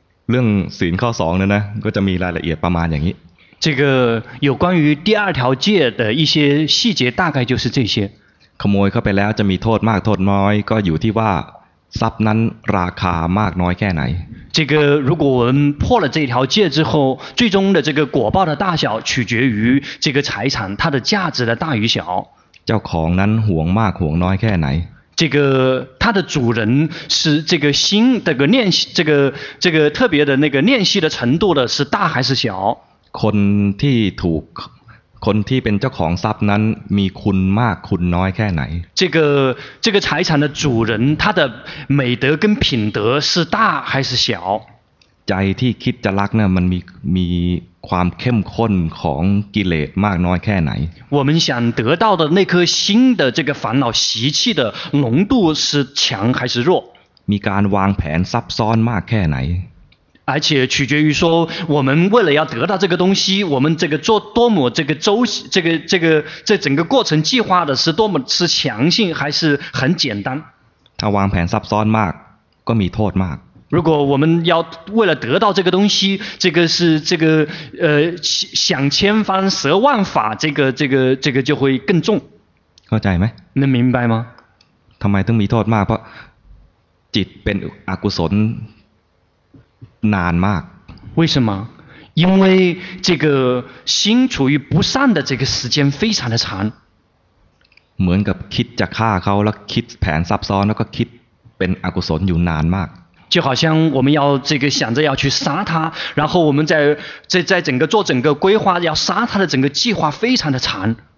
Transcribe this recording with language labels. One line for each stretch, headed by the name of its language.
Thai: เรื่องศีลข้อ2เนี่ยนะก็จะมีรายละเอียดประมาณอย่างนี้
Chinese: 这个有关于第二条戒的一些细节大概就是这些
Thai: ขโมยเข้าไปแล้วจะมีโทษมากโทษน้อยก็อยู่ที่ว่าทรัพย์นั้นราคามากน้อยแค่ไหน
Chinese: 这个如果我们破了这条戒之后最终的这个果报的大小取决于这个财产它的价值的大与小
Thai: เจ้าของนั้นห่วงมากห่วงน้อยแค่ไหน
Chinese: 这个它的主人是这个心这个念这个特别的那个念系的程度的是大还是小
Thai: คนที่ถูกคนที่เป็นเจ้าของทรัพย์นั้นมีคุณมากคุณน้อยแค่ไหน
Chinese: 这个财产的主人他的美德跟品德是大还是小
Thai: ใจที่คิดจะรักเนี่ยมันมีความเข้มข้นของกิเลสมากน้อยแค่ไหน
Chinese: 我们想得到的那颗心的这个烦恼习气的浓度是强还是弱
Thai: มีการวางแผนซับซ้อนมากแค่ไหน
Chinese: 而且取决于说我们为了要得到这个东西我们这个做多么这个周这整个过程计划的是多么是强性还是很简单
Thai: 他วางแผนซับซ้อนมากก็มีโทษมาก
Chinese: 如果我们要为了得到这个东西这个是这个想千方十万法这个就会更重
Thai: เข้าใจไหม
Chinese: 能明白吗
Thai: ทำไมต้องมีโทษมากเพราะจิตเป็นอกุศลนานมาก
Chinese: 为什么因为这个心处于不善的这个时间非常的长
Thai: เหมือนกับคิดจะฆ่าเขาแล้วคิดแผนซับซ้อนแล้วก็คิดเป็นอกุศลอยู่นานมาก
Chinese: 就好像我们要这个想着要去杀他然后我们在整个做整个规划要杀他的整个计划非常的长